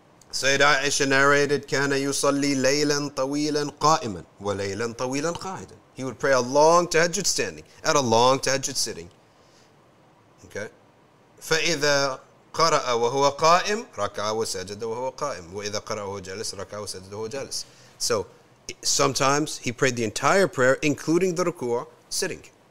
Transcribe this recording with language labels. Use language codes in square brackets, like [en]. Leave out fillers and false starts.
[en] Sayyid Aisha narrated, [ar] كان يصلي ليلا طويلا قائما وليلا طويلا قاعدا. [en] He would pray a long tahajjud standing and a long tahajjud sitting. Okay. [ar] فإذا قرأ وهو قائم ركع وسجد وهو قائم وإذا قرأ وهو جالس ركع وسجد وهو جالس. [en] So sometimes he prayed the entire prayer, including the ruku' sitting.